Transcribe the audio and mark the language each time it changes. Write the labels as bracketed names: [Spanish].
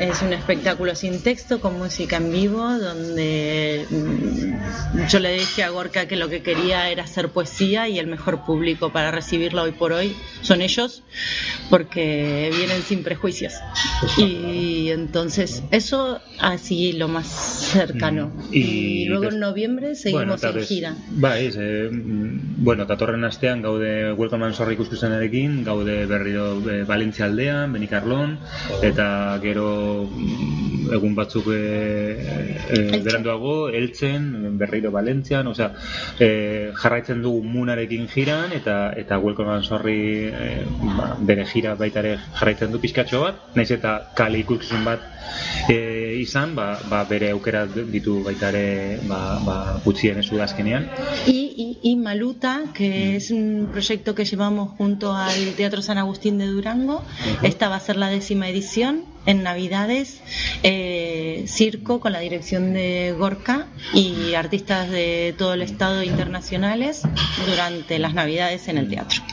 [Spanish] Es un espectáculo sin texto, con música en vivo, donde yo le dije a Gorka que lo que quería era hacer poesía, y el mejor público para recibirla hoy por hoy son ellos, porque vienen sin prejuicios. Y entonces eso, así lo más cercano. Y luego en noviembre seguimos, bueno, en gira. [Basque] Vais, bueno, datorren astean gaude Welcome and Sorry ikuskizunarekin, gaude berriro Valentzia aldean, Benicarlon, eta gero egun batzuk beranduago, Eltzen, berriro Valentzian, osea, jarraitzen dugu Munarekin jiran, eta Welcome and Sorry bere gira baita ere jarraitzen du pizkatxo bat, naiz eta kale ikuskizun bat izan, ba bere aukera ditu baita ere ba gutxien ez udazkenean. [Spanish] Y Maluta, que es un proyecto que llevamos junto al Teatro San Agustín de Durango. Uh-huh. Esta va a ser la 10ª edición en Navidades. Circo con la dirección de Gorka y artistas de todo el estado internacionales durante las Navidades en el teatro.